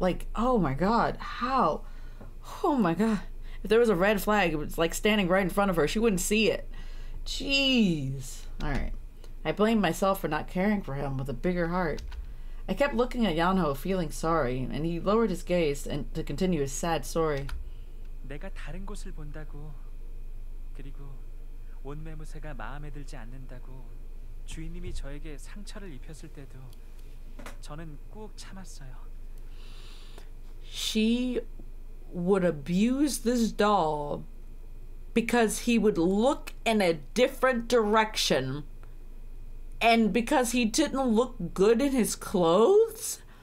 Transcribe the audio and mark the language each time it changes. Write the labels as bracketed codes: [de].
[en] Like, oh my god, how? Oh my god. If there was a red flag, it was like standing right in front of her, she wouldn't see it. Jeez. All right. I blame myself for not caring for him with a bigger heart. I kept looking at Yeonho, feeling sorry, and he lowered his gaze and to continue his sad story. [ko] 내가 다른 곳을 본다고, 그리고 옷매무새가 마음에 들지 않는다고, 주인님이 저에게 상처를 입혔을 때도 저는 꼭 참았어요. [en] She would abuse this doll because he would look in a different direction. And because he didn't look good in his clothes?